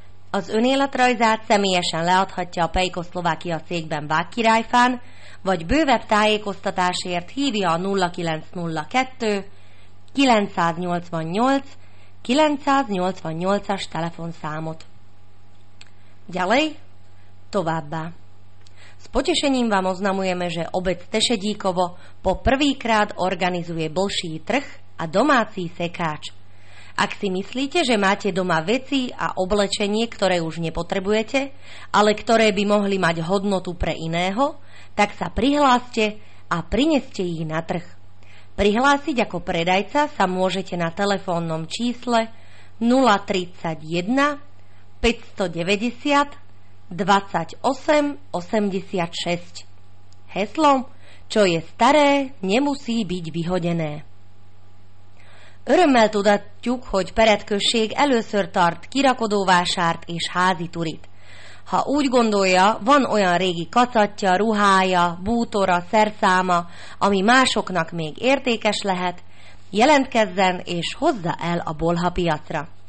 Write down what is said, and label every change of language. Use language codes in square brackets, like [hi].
[hu] Az önéletrajzát személyesen leadhatja a Pejko Slovakia cégben Vágkirályfán, vagy bővebb tájékoztatásért hívja a 0902 988 988-as telefonszámot. [sk] Ďalej, [hu] továbbá. [sk] S potešením vám oznamujeme, že obec Tešedíkovo po prvýkrát organizuje bolší trh a domáci sekáč. Ak si myslíte, že máte doma veci a oblečenie, ktoré už nepotrebujete, ale ktoré by mohli mať hodnotu pre iného, tak sa prihláste a prineste ich na trh. Prihlásiť ako predajca sa môžete na telefónnom čísle 031 590 28 86. Heslom, čo je staré, nemusí byť vyhodené. [hu] Örömmel tudatjuk, hogy Peretkösség először tart kirakodóvásárt és házi turit. Ha úgy gondolja, van olyan régi kacatja, ruhája, bútora, szerszáma, ami másoknak még értékes lehet, jelentkezzen és hozza el a Bolha piacra.